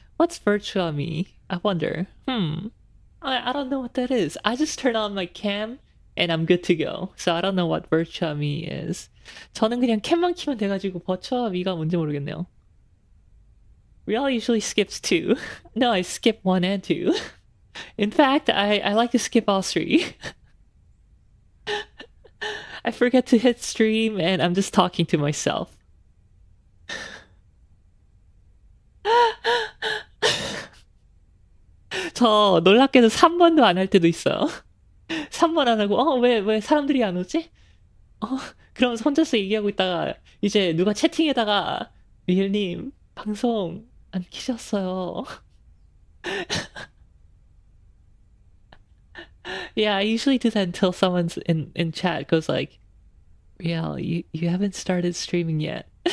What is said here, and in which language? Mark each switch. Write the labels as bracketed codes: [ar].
[en] What's Virtua Me? I wonder. I don't know what that is. I just turn on my cam And I'm good to go. So I don't know what virtual me is. [ko] 저는 그냥 캔만 키면 돼가지고 버추어 미가 뭔지 모르겠네요. [en] We all usually skips two. No, I skip one and two. In fact, I like to skip all three. I forget to hit stream and I'm just talking to myself. [ko] 저 놀랍게도 3번도 안할 때도 있어요. 3번 안 하고, 왜 사람들이 안 오지? 그럼 혼자서 얘기하고 있다가, 이제 누가 채팅에다가, 미엘님, 방송 안 키셨어요. [en] Yeah, I usually do that until someone's in chat goes like, "Yeah, you haven't started streaming yet."